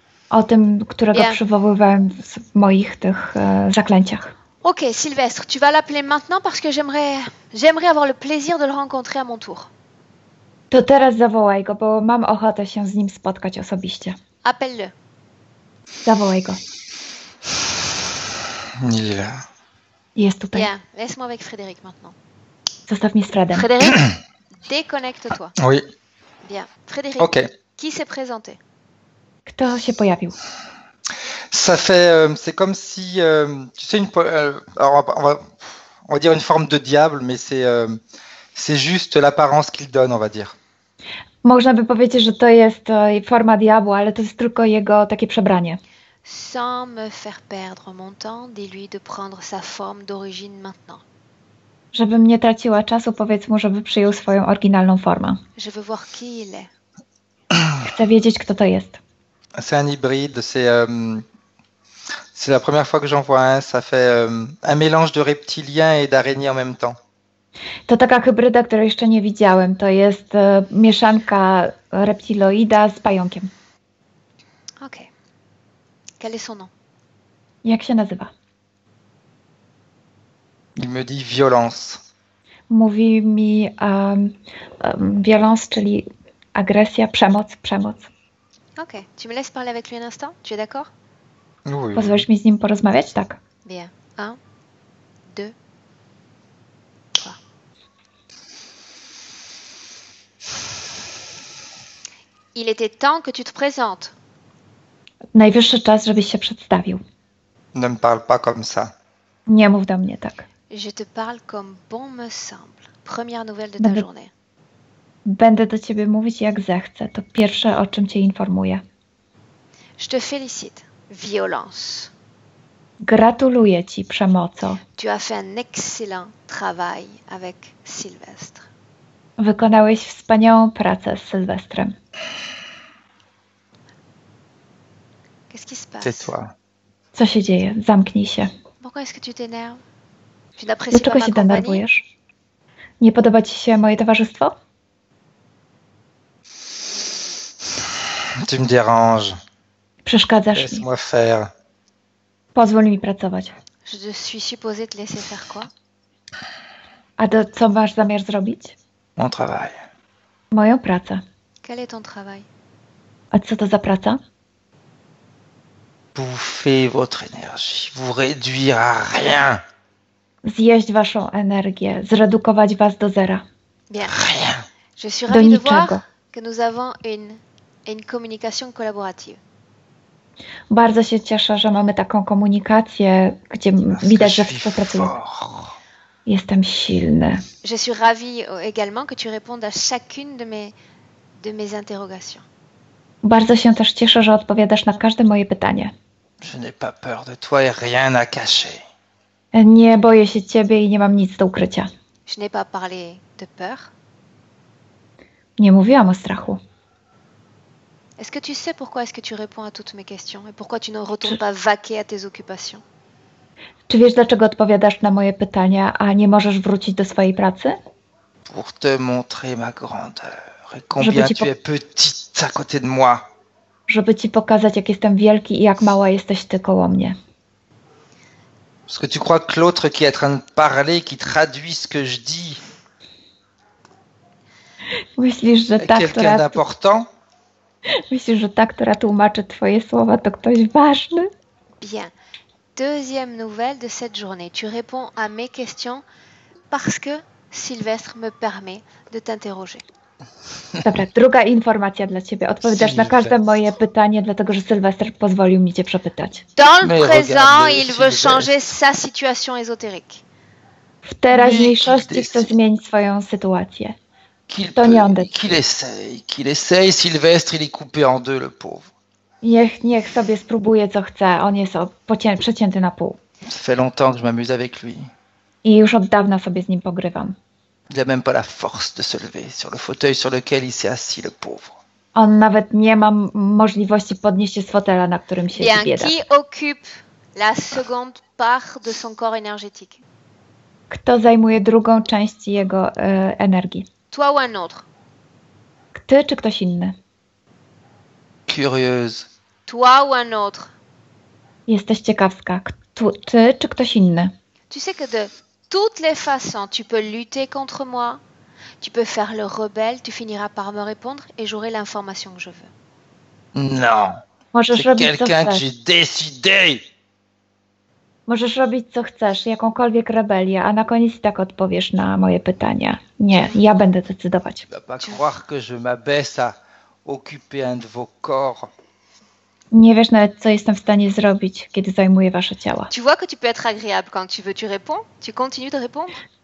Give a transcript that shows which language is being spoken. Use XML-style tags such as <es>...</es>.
<pl>O tym, którego bien. Przywoływałem w moich tych zaklęciach.</pl> <fr>Ok, Sylwestre, tu vas l'appeler maintenant parce que j'aimerais avoir le plaisir de le rencontrer à mon tour.</fr> <pl>To teraz zawołaj go, bo mam ochotę się z nim spotkać osobiście.</pl> <fr>Appelle-le.</fr> <pl>Zawołaj go.</pl> <fr>Il est là.</fr> <pl>Jest tutaj.</pl> <fr>Bien, laisse-moi avec Frédéric maintenant.</fr> <pl>Zostaw mnie z Fredem.</pl> <fr>Frédéric, déconnecte-toi. Oui. Bien. Frédéric, okay. Qui s'est présenté?</fr> <pl>Kto się pojawił?</pl> <fr>Ça fait, c'est comme si, tu sais, on va dire une forme de diable, mais c'est juste l'apparence qu'il donne, on va dire.</fr> <pl>Można by powiedzieć, że to jest forma diabła, ale to jest tylko jego takie przebranie.</pl> <fr>Sans me faire perdre mon temps, dis-lui de prendre sa forme d'origine maintenant.</fr> <pl>Żebym nie traciła czasu, powiedz mu, żeby przyjął swoją oryginalną formę.</pl> <fr>Je veux voir qui il est.</fr> <pl>Chcę wiedzieć, kto to jest.</pl> <fr>C'est un hybride, c'est la première fois que j'en vois un, ça fait un mélange de reptilien et d'araignée en même temps.</fr> <pl>To taka hybryda, której jeszcze nie widziałem, to jest mieszanka reptiloida z pająkiem.</pl> <fr>Ok. Quel est son nom?</fr> <pl>Jak się nazywa?</pl> <fr>Il me dit violence.</fr> <pl>Mówi mi violence, czyli agresja, przemoc.</pl> <fr>Ok, tu me laisses parler avec lui un instant? Tu es d'accord? Oui.</fr> <pl>Pozwolisz mi z nim porozmawiać? Tak.</pl> <fr>Bien. Un, deux, trois. Il était temps que tu te présentes.</fr> <pl>Najwyższy czas, żebyś się przedstawił.</pl> <fr>Ne me parle pas comme ça.</fr> <pl>Nie mów do mnie tak.</pl> <fr>Je te parle comme bon me semble. Première nouvelle de ta journée.</fr> <pl>Będę do ciebie mówić jak zechcę. To pierwsze, o czym cię informuję.</pl> <fr>Je te félicite. Violence.</fr> <pl>Gratuluję ci, przemocą.</pl> <fr>Tu as fait un excellent travail avec Sylvestre.</fr> <pl>Wykonałeś wspaniałą pracę z Sylwestrem.</pl> <fr>Qu'est-ce qui se passe? Tais-toi.</fr> <pl>Co się dzieje? Zamknij się.</pl> <fr>Pourquoi est-ce que tu t'énerves? Tu n'apprécies pas ma compagnie?</fr> <pl>Dlaczego się denerwujesz? Nie podoba ci się moje towarzystwo?</pl> <fr>Tu me déranges.</fr> <pl>Przeszkadzasz mi.</pl> <fr>Laisse-moi faire.</fr> <pl>Pozwól mi pracować.</pl> <fr>Je suis supposé te laisser faire quoi?</fr> <pl>A to co masz zamiar zrobić?</pl> <fr>Mon travail.</fr> <pl>Moją pracę.</pl> <fr>Quel est ton travail?</fr> <pl>A co to za praca?</pl> <fr>bouffer votre énergie, vous réduire à rien.</fr> <pl>Zjeść waszą energię, zredukować was do zera.</pl> <fr>Bien. Rien. Je suis ravie de voir que nous avons une communication collaborative.</fr> <pl>Bardzo się cieszę, że mamy taką komunikację, gdzie widać, że współpracujemy. Jestem silny.</pl> <fr>Je suis ravie également que tu répondes à chacune de mes interrogations.</fr> <pl>Bardzo się też cieszę, że odpowiadasz na każde moje pytanie.</pl> <fr>Je n'ai pas peur de toi et rien à cacher.</fr> <pl>Nie boję się ciebie i nie mam nic do ukrycia.</pl> <fr>Je n'ai pas parlé de peur.</fr> <pl>Nie mówiłam o strachu.</pl> <fr>Est-ce que tu sais pourquoi est-ce que tu réponds à toutes mes questions et pourquoi tu ne retournes pas vaquer à tes occupations?</fr> <pl>Czy wiesz, dlaczego odpowiadasz na moje pytania, a nie możesz wrócić do swojej pracy?</pl> <fr>Pour te montrer ma grandeur et combien tu es petite à côté de moi.</fr> <pl>Żeby ci pokazać, jak jestem wielki i jak mała jesteś ty koło mnie.</pl> <fr>Parce que tu crois que l'autre qui est en train de parler, qui traduit ce que je dis,</fr> <pl>myślisz, że ta,</pl> <fr>est quelqu'un d'important?</fr> <pl>Myślisz, że ta, która tłumaczy twoje słowa, to ktoś ważny?</pl> <fr>Bien. Deuxième nouvelle de cette journée. Tu réponds à mes questions parce que Sylvestre me permet de t'interroger.</fr> <pl>Dobra, druga informacja dla ciebie. Odpowiadasz na każde moje pytanie, dlatego że Sylwester pozwolił mi cię przepytać.</pl> <fr>Dans le présent, il veut changer sa situation ésotérique.</fr> <pl>W teraźniejszości chce zmienić swoją sytuację. To nie on decyduje.</pl> <fr>Qu'il essaye, Sylvestre, il est coupé en deux, le pauvre.</fr> <pl>Niech sobie spróbuje, co chce. On jest przecięty na pół.</pl> <fr>Ça fait longtemps que je m'amuse avec lui.</fr> <pl>I już od dawna sobie z nim pogrywam.</pl> <fr>Il n'a même pas la force de se lever sur le fauteuil sur lequel il s'est assis, le pauvre.</fr> <pl>On nawet nie ma możliwości podnieść się z fotela, na którym siedzi, bieda.</pl> <fr>Bien, qui occupe la seconde part de son corps énergétique?</fr> <pl>Kto zajmuje drugą część jego energii?</pl> <fr>Toi ou un autre?</fr> <pl>Ty czy ktoś inny?</pl> <fr>Curieuse. Toi ou un autre?</fr> <pl>Jesteś ciekawska. Ty czy ktoś inny?</pl> <fr>Tu sais que de toutes les façons, tu peux lutter contre moi, tu peux faire le rebelle, tu finiras par me répondre et j'aurai l'information que je veux. Non.</fr> <pl>Możesz</pl> <fr>c'est quelqu'un que j'ai décidé.</fr> <pl>Możesz robić co chcesz, jakąkolwiek rebelię, a na koniec tak odpowiesz na moje pytania. Nie, ja będę decydować.</pl> <fr>Tu vas pas croire que je m'abaisse à occuper un de vos corps.</fr> <pl>Nie wiesz nawet, co jestem w stanie zrobić, kiedy zajmuję wasze ciała.</pl> <fr>Tu vois que tu peux être agréable quand tu veux, tu réponds, tu continues de répondre.</fr>